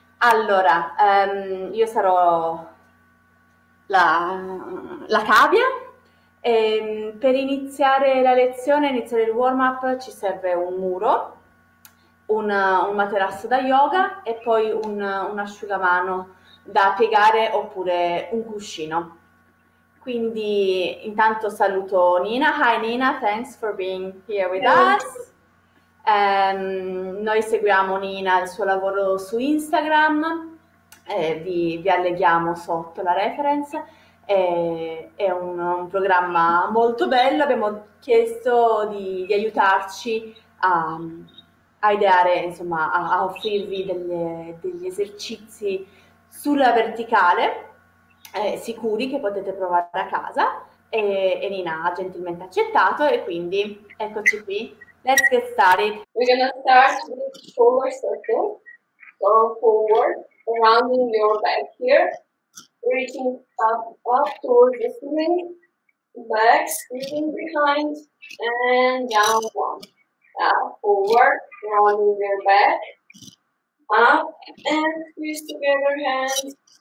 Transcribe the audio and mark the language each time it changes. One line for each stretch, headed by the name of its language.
Italian: Allora, io sarò la cavia. E, per iniziare la lezione, iniziare il warm-up, ci serve un muro, un materasso da yoga e poi un asciugamano da piegare oppure un cuscino. Quindi intanto saluto Nina.
English: Hi Nina, thanks for being here with us.
Italian: Noi seguiamo Nina, il suo lavoro su Instagram, vi alleghiamo sotto la reference. È un programma molto bello, abbiamo chiesto di aiutarci a ideare, insomma, a offrirvi degli esercizi sulla verticale, sicuri che potete provare a casa, e Nina ha gentilmente accettato e quindi eccoci qui.
English: Let's get started. We're gonna start with shoulder circle. Go forward, rounding your back here, reaching up towards the ceiling, back, squeezing behind, and down one. Now forward, rounding your back, up and squeeze together hands.